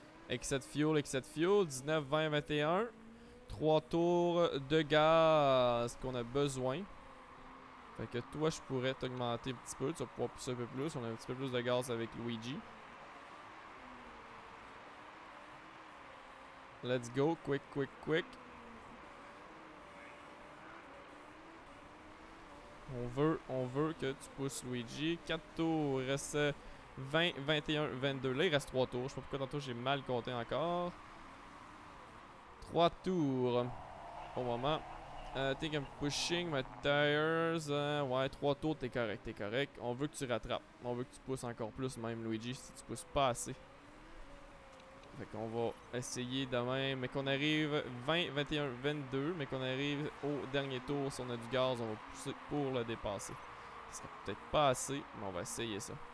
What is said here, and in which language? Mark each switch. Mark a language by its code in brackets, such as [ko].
[fr] Excès de fuel, 19, 20, 21. 3 tours de gaz qu'on a besoin. Fait que toi, je pourrais t'augmenter un petit peu, tu vas pouvoir pousser un peu plus, on a un petit peu plus de gaz avec Luigi. [en] Let's go, quick, quick, quick. [fr] On veut que tu pousses Luigi. 4 tours, il reste 20, 21, 22. Là, il reste 3 tours, je sais pas pourquoi tantôt j'ai mal compté encore. 3 tours, au moment. [en] Think I'm pushing my tires. [fr] Ouais, 3 tours, t'es correct, t'es correct. On veut que tu rattrapes. On veut que tu pousses encore plus, même Luigi, si tu pousses pas assez. Fait qu'on va essayer demain. Mais qu'on arrive 20, 21, 22. Mais qu'on arrive au dernier tour. Si on a du gaz, on va pousser pour le dépasser. Ce sera peut-être pas assez, mais on va essayer ça.